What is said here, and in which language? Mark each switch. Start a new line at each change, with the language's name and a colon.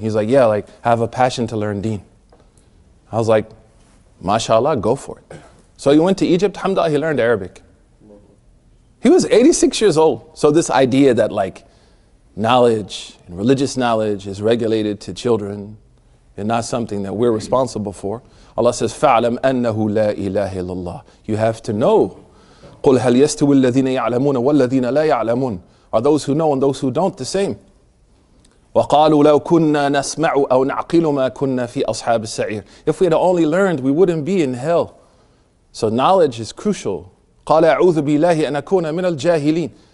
English: He's like, yeah, like, have a passion to learn deen. I was like, mashallah, go for it. So he went to Egypt, alhamdulillah, he learned Arabic. He was 86 years old. So this idea that, like, knowledge, and religious knowledge is regulated to children and not something that we're responsible for.
Arabic: Allah says, فَعْلَمْ أَنَّهُ لَا إِلَهِ إِلَّا.
English: You have to know.
Arabic: قُلْ هَلْ يَسْتُوِ الَّذِينَ يَعْلَمُونَ وَالَّذِينَ لَا يَعْلَمُونَ.
English: Are those who know and those who don't the same?
Arabic: وَقَالُوا لَوْ كُنَّا نَسْمَعُ أَوْ نَعْقِلُ مَا كُنَّا فِي أَصْحَابِ السَّعِيرِ.
English: If we had only learned, we wouldn't be in hell. So knowledge is crucial.
Arabic: قَالَ أَعُوذُ بِاللَّهِ أَنْ أَكُونَ مِنَ الْجَاهِلِينَ.